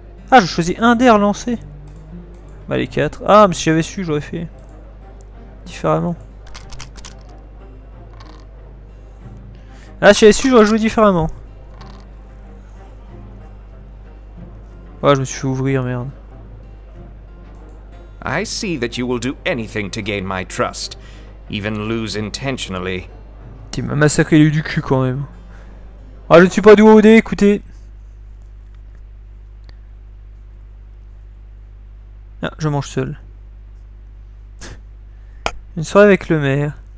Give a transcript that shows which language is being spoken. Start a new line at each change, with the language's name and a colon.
French: Ah, je choisis un dé à relancer. Bah, les 4. Ah, mais si j'avais su, j'aurais fait différemment. Ah, si j'avais su, j'aurais joué différemment. Ouais, je me suis fait ouvrir, merde.
English: I see that you will do anything to gain my trust, even lose intentionally.
French: Tu m'as massacré du cul quand même. Ah, oh, je ne suis pas doué au dé, écoutez. Ah, je mange seul. Une soirée avec le maire.